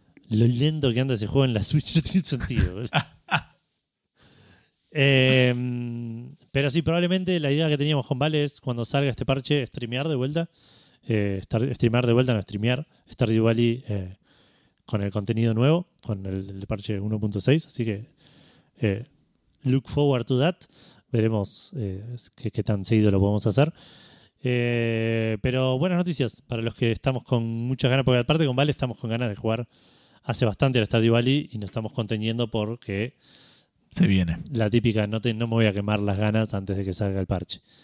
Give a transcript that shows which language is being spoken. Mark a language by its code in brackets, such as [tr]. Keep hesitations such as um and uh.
[es] Lo lento que anda ese juego en la Switch no tiene sentido. Eh, pero sí, probablemente la idea que teníamos con Vale es cuando salga este parche, streamear de vuelta. Eh, star- streamear de vuelta, no streamear. Stardew Valley eh, con el contenido nuevo, con el, el parche 1.6. Así que eh, [en] look forward to that. [es] Veremos eh, qué, qué tan seguido lo podemos hacer. Eh, pero buenas noticias para los que estamos con muchas ganas, porque aparte con Vale estamos con ganas de jugar hace bastante al Stardew Valley y nos estamos conteniendo porque Se viene. la típica no, te- no me voy a quemar las ganas antes de que salga el parche.